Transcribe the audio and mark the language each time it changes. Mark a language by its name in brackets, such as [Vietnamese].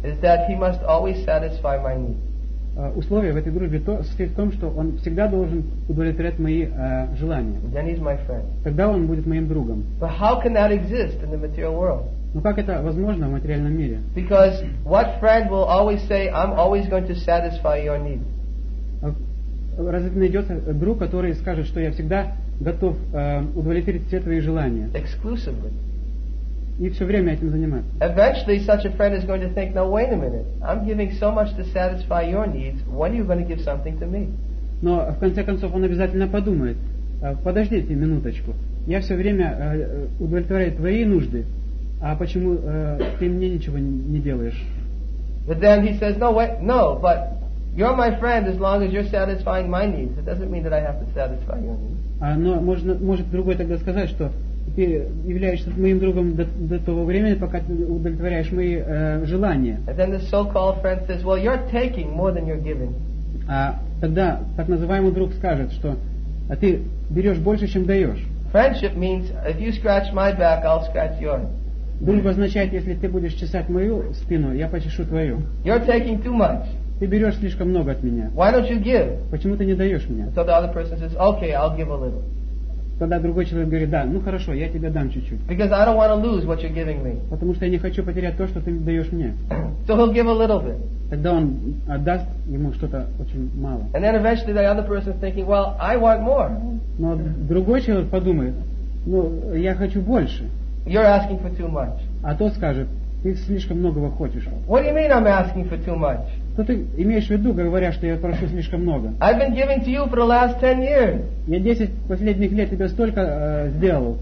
[English] Is that he must always satisfy my needs. [Russian] Условие в этой дружбе состоит в том, что он всегда должен удовлетворять мои желания. Тогда он будет моим другом. [English] But how can that exist in the material world? [Russian] Но как это возможно в материальном мире? [English] Because what friend will always say, I'm always going to satisfy your need? [Russian] Разве найдется друг, который скажет, что я всегда готов удовлетворить все твои желания? [English] Exclusively. [Russian] И все время этим заниматься. [English] Eventually, such a friend is going to think, "Now wait a minute. I'm giving so much to satisfy your needs. When are you going to give something to me?" [Russian] Но в конце концов он обязательно подумает: подождите минуточку. Я все время удовлетворяю твои нужды, а почему ты мне ничего не делаешь? [English] But then he says, "No, wait, no. But you're my friend as long as you're satisfying my needs. It doesn't mean that I have to satisfy your needs." [Russian] Но может другой тогда сказать, что ты являешься моим другом до того времени, пока ты удовлетворяешь мои желания. [English] And then the so-called friend says, "Well, you're taking more than you're giving." [Russian] А тогда так называемый друг скажет, что ты берешь больше, чем даешь. [English] Friendship means if you scratch my back, I'll scratch yours. [Russian] Дружба означает, если ты будешь чесать мою спину, я почешу твою. [English] You're taking too much. [Russian] Ты берешь слишком много от меня. [English] Why don't you give? [Russian] Почему ты не даешь мне? [English] So the other person says, okay, I'll give a little. [Russian] Тогда другой человек говорит, да, ну хорошо, я тебе дам чуть-чуть. [English] Because I don't want to lose what you're giving me. [Russian] Потому что я не хочу потерять то, что ты даешь мне. [English] So he'll give a little bit. [Russian] Тогда он отдаст ему что-то очень мало. [English] And then eventually the other person is thinking, well, I want more. [Russian] Но другой человек подумает, ну, я хочу больше. [English] You're asking for too much. [Russian] А тот скажет, ты слишком многого хочешь. [English] What do you mean I'm asking for too much? [Russian] Что ты имеешь в виду, говоря, что я прошу слишком много? [English] I've been giving to you for the last 10 years. [Russian] Я 10 последних лет тебе столько сделал.